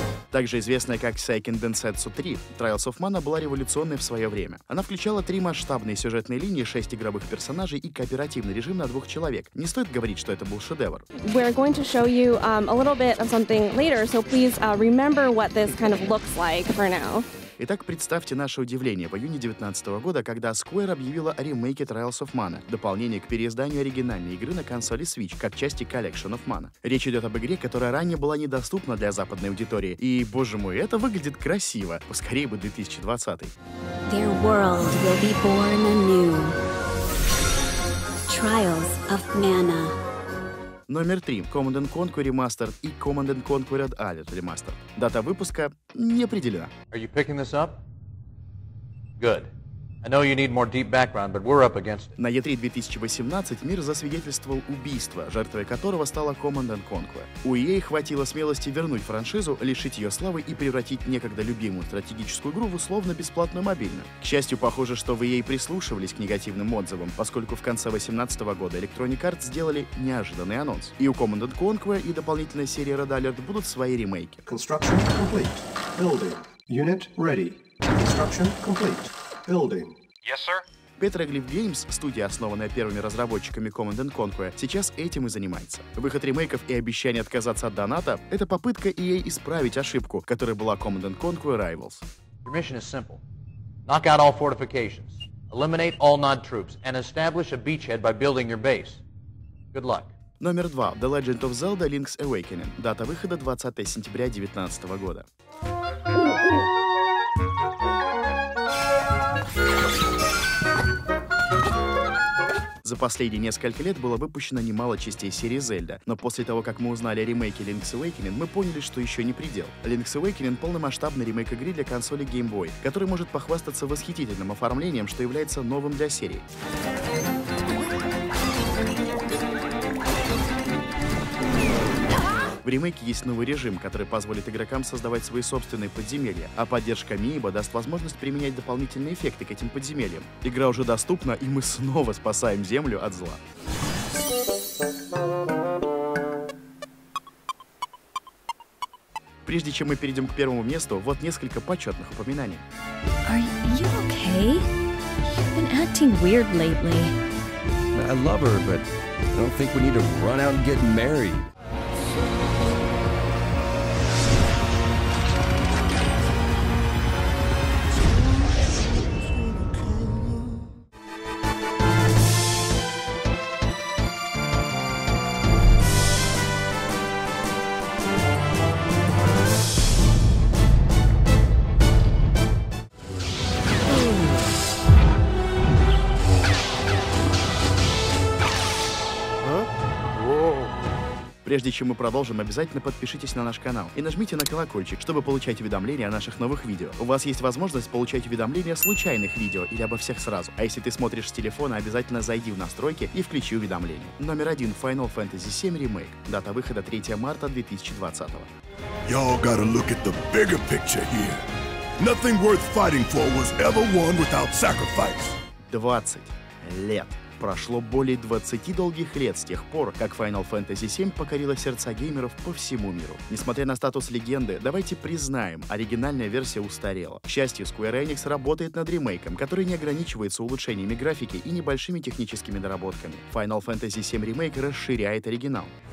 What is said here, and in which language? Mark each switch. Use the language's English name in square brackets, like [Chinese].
[Russian] Также известная как Seiken Densetsu 3, Trials of Mana была революционной в свое время. Она включала три масштабные сюжетные линии, шесть игровых персонажей и кооперативный режим на двух человек. Не стоит говорить, что это был шедевр. [English] We're going to show you a little bit of something later, so please remember what this kind of looks like for now. [Russian] Итак, представьте наше удивление в июне 2019 года, когда Square объявила о ремейке Trials of Mana, дополнение к переизданию оригинальной игры на консоли Switch, как части Collection of Mana. Речь идет об игре, которая ранее была недоступна для западной аудитории, и, боже мой, это выглядит красиво. Поскорее бы 2020. [English] Their world will be born anew. Trials of Mana. [Russian] Номер 3. Command & Conquer Remastered и Command & Conquer Red Alert Remastered. Дата выпуска не определена. [English] Are you picking this up? Good. I know you need more deep background, but we're up against it. [Russian] На E3 2018 мир засвидетельствовал убийство, жертвой которого стала Command & Conquer. У EA хватило смелости вернуть франшизу, лишить ее славы и превратить некогда любимую стратегическую игру в условно-бесплатную мобильную. К счастью, похоже, что в EA прислушивались к негативным отзывам, поскольку в конце 2018 года Electronic Arts сделали неожиданный анонс. И у Command & Conquer, и дополнительной серии Red Alert будут свои ремейки. [English] Construction complete. Building. Unit ready. Construction complete. Building. Yes, sir. [Russian] Petroglyph Games, студия, основанная первыми разработчиками Command & Conquer, сейчас этим и занимается. Выход ремейков и обещание отказаться от доната — это попытка EA исправить ошибку, которая была Command & Conquer Rivals. [English] Your mission is simple. Knock out all fortifications, eliminate all Nod troops, and establish a beachhead by building your base. Good luck. [Russian] Номер 2. The Legend of Zelda Link's Awakening. Дата выхода 20 сентября 2019 года. За последние несколько лет было выпущено немало частей серии Зельда, но после того, как мы узнали о ремейке Link's Awakening, мы поняли, что еще не предел. Link's Awakening — полномасштабный ремейк игры для консоли Game Boy, который может похвастаться восхитительным оформлением, что является новым для серии. В ремейке есть новый режим, который позволит игрокам создавать свои собственные подземелья, а поддержка Amiibo даст возможность применять дополнительные эффекты к этим подземельям. Игра уже доступна, и мы снова спасаем Землю от зла. Прежде чем мы перейдем к первому месту, вот несколько почетных упоминаний. [English] Are you okay? You've been acting weird lately. I love her, but I don't think we need to run out and get married. [Russian] Прежде чем мы продолжим, обязательно подпишитесь на наш канал и нажмите на колокольчик, чтобы получать уведомления о наших новых видео. У вас есть возможность получать уведомления о случайных видео или обо всех сразу. А если ты смотришь с телефона, обязательно зайди в настройки и включи уведомления. Номер 1. Final Fantasy VII Remake. Дата выхода 3 марта 2020. [English] Y'all gotta look at the bigger picture here. Nothing worth fighting for was ever won without sacrifice. [Russian] 20 лет. Прошло более 20 долгих лет с тех пор, как Final Fantasy VII покорила сердца геймеров по всему миру. Несмотря на статус легенды, давайте признаем, оригинальная версия устарела. К счастью, Square Enix работает над ремейком, который не ограничивается улучшениями графики и небольшими техническими доработками. Final Fantasy VII Remake расширяет оригинал.